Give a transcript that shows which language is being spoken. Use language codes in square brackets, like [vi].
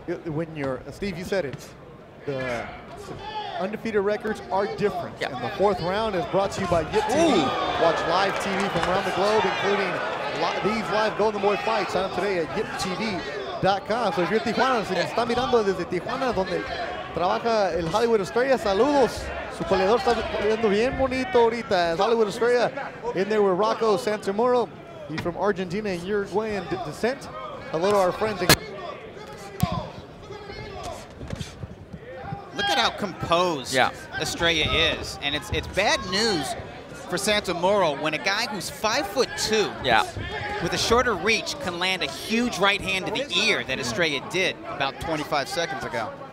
[en] When you're, Steve, you said it. The undefeated records are different. Yeah. And the fourth round is brought to you by YipTV. Watch live TV from around the globe, including these live Golden Boy fights. Sign up today at YipTV.com. So if you're Tijuana, [es] si me está mirando desde Tijuana, donde trabaja el Hollywood Estrella, saludos. Su peleador está peleando bien bonito ahorita. [en] Hollywood Estrella in there with Rocco Santamuro. He's from Argentina and Uruguayan descent. Hello to our friends. Look at how composed Estrella is. And it's bad news for Santamuro when a guy who's 5'2" with a shorter reach can land a huge right hand to the ear that Estrella did about 25 seconds ago.